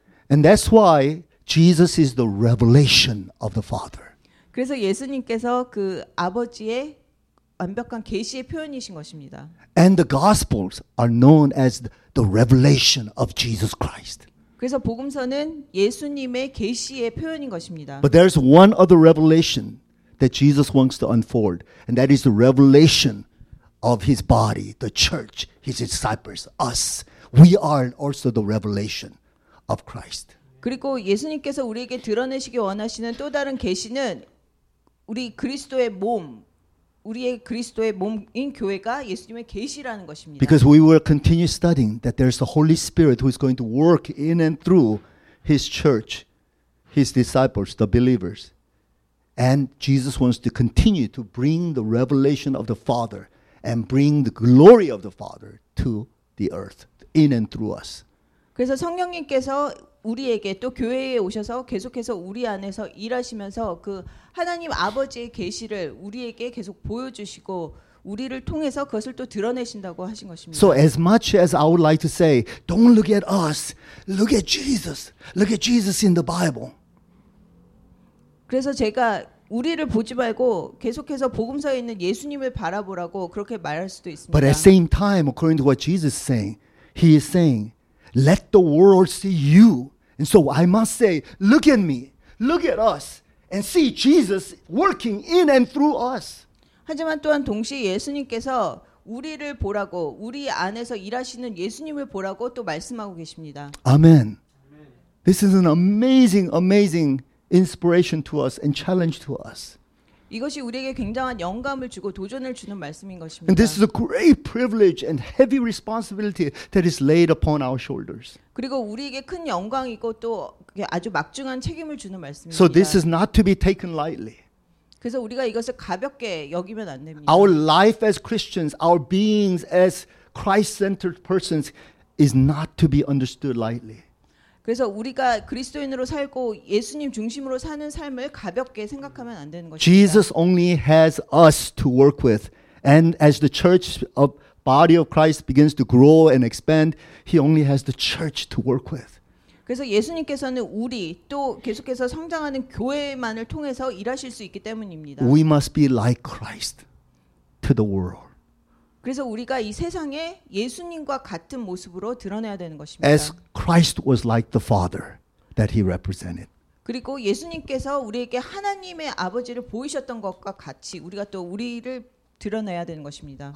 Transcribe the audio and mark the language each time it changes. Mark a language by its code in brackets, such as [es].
[en] And that's why Jesus is the revelation of the Father. [ko] 그래서 예수님께서 그 아버지의 완벽한 계시의 표현이신 것입니다. [en] And the gospels are known as the revelation of Jesus Christ. [ko] 그래서 복음서는 예수님의 계시의 표현인 것입니다. [en] But there's one other revelation that Jesus wants to unfold, and that is the revelation of his body, the church, his disciples, us. We are also the revelation of Christ. [ko] 그리고 예수님께서 우리에게 드러내시기 원하시는 또 다른 계시는 우리 그리스도의 몸 우리의 그리스도의 몸인 교회가 예수님의 계시라는 것입니다. [en] Because we will continue studying that there's the Holy Spirit who is going to work in and through his church, his disciples, the believers. And Jesus wants to continue to bring the revelation of the Father and bring the glory of the Father to the earth in and through us. [ko] 그래서 성령님께서 우리에게 또 교회에 오셔서 계속해서 우리 안에서 일하시면서 그 하나님 아버지의 계시를 우리에게 계속 보여주시고 우리를 통해서 그것을 또 드러내신다고 하신 것입니다. [en] So as much as I would like to say, don't look at us, look at Jesus. Look at Jesus in the Bible. [ko] 그래서 제가 우리를 보지 말고 계속해서 복음서에 있는 예수님을 바라보라고 그렇게 말할 수도 있습니다. [en] But at the same time, according to what Jesus is saying, he is saying, Let the world see you. And so I must say, look at me, look at us, and see Jesus working in and through us. [ko] 하지만 또한 동시에 예수님께서 우리를 보라고, 우리 안에서 일하시는 예수님을 보라고 또 말씀하고 계십니다. [en] Amen. This is an amazing, amazing inspiration to us and challenge to us. [ko] 이것이 우리에게 굉장한 영감을 주고 도전을 주는 말씀인 것입니다. [en] And this is a great privilege and heavy responsibility that is laid upon our shoulders. [ko] 그리고 우리에게 큰 영광이고 또 아주 막중한 책임을 주는 말씀입니다. [en] So this is not to be taken lightly. [ko] 그래서 우리가 이것을 가볍게 여기면 안 됩니다. [en] Our life as Christians, our beings as Christ-centered persons is not to be understood lightly. [ko] 그래서 우리가 그리스도인으로 살고 예수님 중심으로 사는 삶을 가볍게 생각하면 안 되는 것입니다. [en] Jesus only has us to work with. And as the church of body of Christ begins to grow and expand, he only has the church to work with. [ko] 그래서 예수님께서는 우리 또 계속해서 성장하는 교회만을 통해서 일하실 수 있기 때문입니다. [en] We must be like Christ to the world. [ko] 그래서 우리가 이 세상에 예수님과 같은 모습으로 드러내야 되는 것입니다. [en] As Christ was like the Father that he represented. [ko] 그리고 예수님께서 우리에게 하나님의 아버지를 보이셨던 것과 같이 우리가 또 우리를 드러내야 되는 것입니다.